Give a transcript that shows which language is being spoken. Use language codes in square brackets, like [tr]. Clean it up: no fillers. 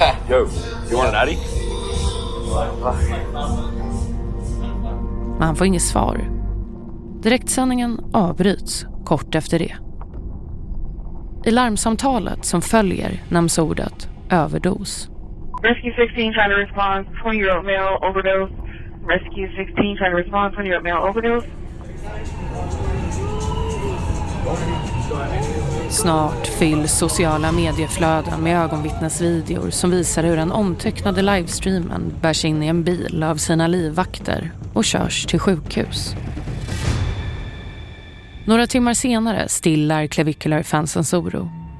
[en] Yo, you want an addy? [sv] Men han får inget svar. Direktsändningen avbryts kort efter det. I larmsamtalet som följer nämns ordet överdos. [en] Rescue 16 trying to respond, 20-year-old male overdose. Rescue 16 trying to respond, 20-year-old male overdose. [sv] Snart fylls sociala medieflöden med ögonvittnesvideor som visar hur den omtecknade livestreamen bärs in i en bil av sina livvakter och körs till sjukhus. Några timmar senare stillar clavicular fansens oro.